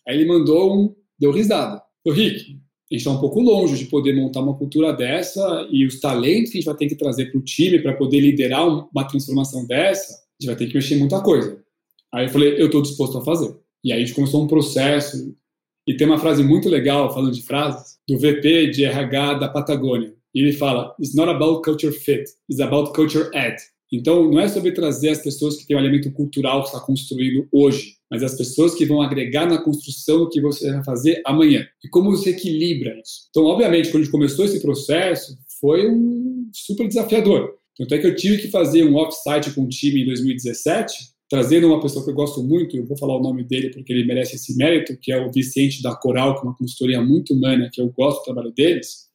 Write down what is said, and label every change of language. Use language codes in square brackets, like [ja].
[pt] Aí ele mandou um, deu risada. Falei, Rick, a gente está um pouco longe de poder montar uma cultura dessa e os talentos que a gente vai ter que trazer para o time para poder liderar uma transformação dessa, a gente vai ter que mexer em muita coisa. Aí eu falei, eu estou disposto a fazer. E aí a gente começou um processo e tem uma frase muito legal, falando de frases, do VP de RH da Patagônia. E ele fala, [en] it's not about culture fit, it's about culture add. [pt] Então, não é sobre trazer as pessoas que têm um elemento cultural que está construindo hoje, mas as pessoas que vão agregar na construção o que você vai fazer amanhã. E como você equilibra isso? Então, obviamente, quando a gente começou esse processo, foi um super desafiador. Tanto é que eu tive que fazer um off-site com o time em 2017, trazendo uma pessoa que eu gosto muito, eu vou falar o nome dele porque ele merece esse mérito, que é o Vicente da Coral, que é uma consultoria muito humana, que eu gosto do trabalho deles.